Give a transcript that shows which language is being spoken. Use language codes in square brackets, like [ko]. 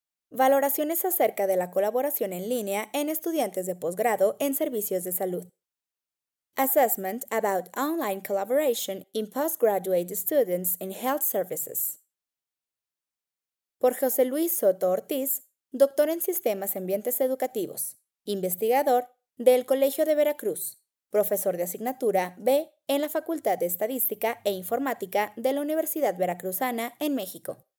[es] Valoraciones acerca de la colaboración en línea en estudiantes de posgrado en servicios de salud. [en] Assessment about online collaboration in postgraduate students in health services. [es] Por José Luis Soto Ortiz, doctor en Sistemas y Ambientes Educativos, investigador del Colegio de Veracruz, profesor de asignatura B en la Facultad de Estadística e Informática de la Universidad Veracruzana en México.